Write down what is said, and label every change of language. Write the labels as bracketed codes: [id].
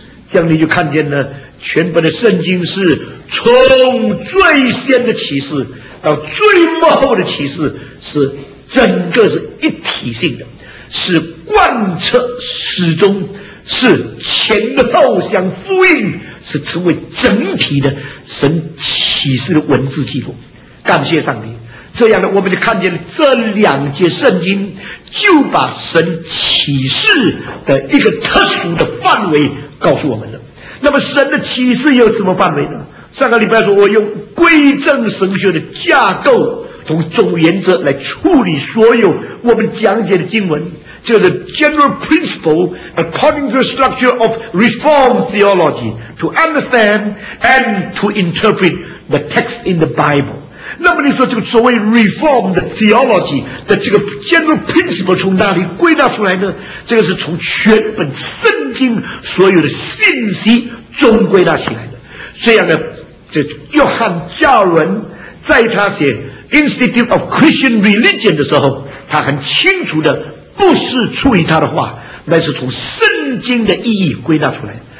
[zh] 这样你就看见了，全本的圣经是从最先的启示到最末后的启示，是整个是一体性的，是贯彻始终，是前后相呼应，是成为整体的神启示的文字记录。感谢上帝，这样呢，我们就看见了这两节圣经就把神启示的一个特殊的范围告诉我们了。那么神的启示有什么范围呢？上个礼拜说我用归正神学的架构，从总原则来处理所有我们讲解的经文，就是 [en] general principle according to the structure of Reformed theology to understand and to interpret the text in the Bible。 [zh] 那么你说这个所谓 Reformed theology 的这个 general principle 从哪里归纳出来呢？这个是从全本圣经所有的信息中归纳起来的。这样呢，这约翰加尔文在他写 Institute of Christian Religion 的时候，他很清楚的，不是出于他的话，那是从圣经的意义归纳出来。